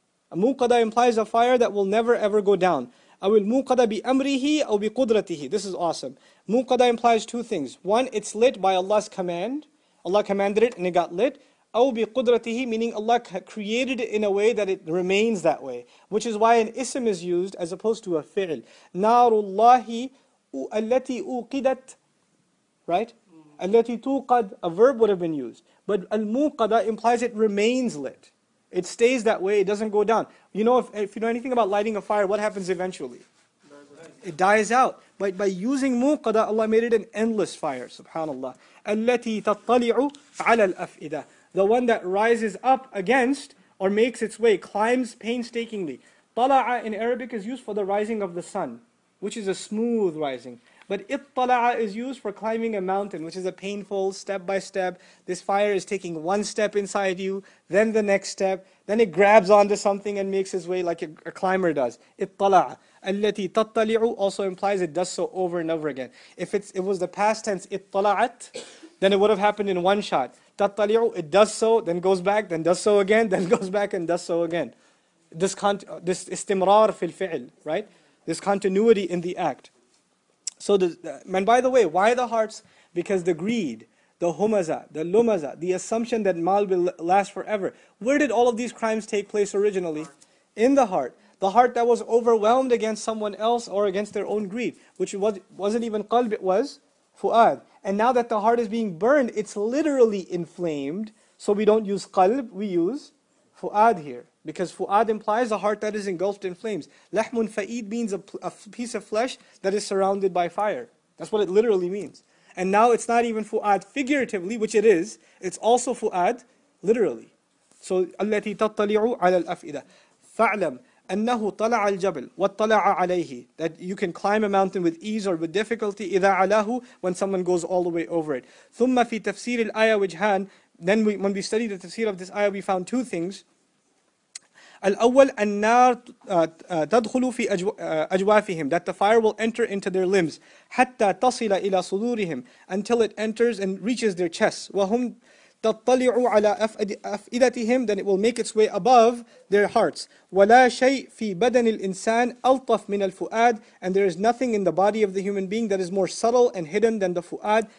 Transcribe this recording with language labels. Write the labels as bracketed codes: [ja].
[en] A muqada implies a fire that will never ever go down. [ar] Awil muqada bi amrihi aw bi qudratihi. [en] This is awesome. Muqada implies two things. One, it's lit by Allah's command. Allah commanded it and it got lit. [ar] Aw bi qudratihi, [en] meaning Allah created it in a way that it remains that way. Which is why an ism is used as opposed to a fi'l. Narullahi [ar] التي أوقدت, right? التي توقد, [en] a verb would have been used. But الموقدة implies it remains lit. It stays that way, it doesn't go down. You know, if you know anything about lighting a fire, what happens eventually? It dies out. But by using muqada, Allah made it an endless fire, subhanAllah. [ar] التي تطلع على الأفئدة. [en] The one that rises up against, or makes its way, climbs painstakingly. طلع in Arabic is used for the rising of the sun, which is a smooth rising. But اطلع is used for climbing a mountain, which is a painful step by step. This fire is taking one step inside you, then the next step, then it grabs onto something and makes its way like a climber does. [ar] اطلع. التي تطلع [en] also implies it does so over and over again. If it was the past tense, اطلعت, then it would have happened in one shot. تطلع, it does so, then goes back, then does so again, then goes back and does so again. [ar] This استمرار في الفعل, right? [en] This continuity in the act. So, and by the way, why the hearts? Because the greed, the humaza, the lumaza, the assumption that mal will last forever. Where did all of these crimes take place originally? In the heart. The heart that was overwhelmed against someone else or against their own greed, which wasn't even qalb, it was fu'ad. And now that the heart is being burned, it's literally inflamed. So we don't use qalb, we use fu'ad here. Because fu'ad implies a heart that is engulfed in flames. Lahmun fa'id means a piece of flesh that is surrounded by fire. That's what it literally means. And now it's not even fu'ad figuratively, which it is. It's also fu'ad literally. [ar] So, التي تطلع على الأفئدة. فعلم أنه طلع الجبل وطلع عليه. [en] That you can climb a mountain with ease or with difficulty. [ar] إذا علاه, [en] when someone goes all the way over it. [ar] ثم في تفسير الآية وجهان. [en] Then when we studied the tafsir of this ayah, we found two things. [ar] الأول النار تدخل في أجوافهم, [en] that the fire will enter into their limbs, [ar] حتى تصل إلى صدورهم, [en] until it enters and reaches their chests, [ar] وهم تطلع على أفئدتهم, [en] then it will make its way above their hearts, [ar] ولا شيء في بدن الإنسان ألطف من الفؤاد, [en] and there is nothing in the body of the human being that is more subtle and hidden than the فؤاد.